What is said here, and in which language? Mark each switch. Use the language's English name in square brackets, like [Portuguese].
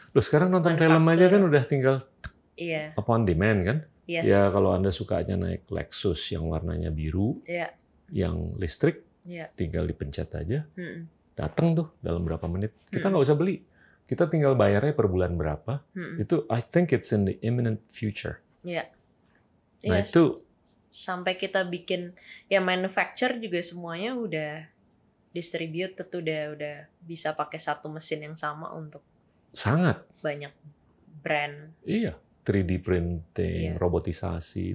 [Indonesian] Loh, sekarang nonton film aja kan udah tinggal iya. upon demand kan? Yes. Ya, kalau Anda sukanya naik Lexus yang warnanya biru, yeah, yang listrik, yeah, tinggal dipencet aja, mm-mm, datang tuh dalam berapa menit. Kita nggak usah beli. Kita tinggal bayarnya per bulan berapa. Mm-mm. Itu [English] I think it's in the imminent future. Yeah. [Indonesian] Nah, yes, itu sampai kita bikin ya manufacture juga semuanya udah distribute, tentu udah bisa pakai satu mesin yang sama untuk sangat banyak brand. Iya, 3D printing, yeah, robotisasi.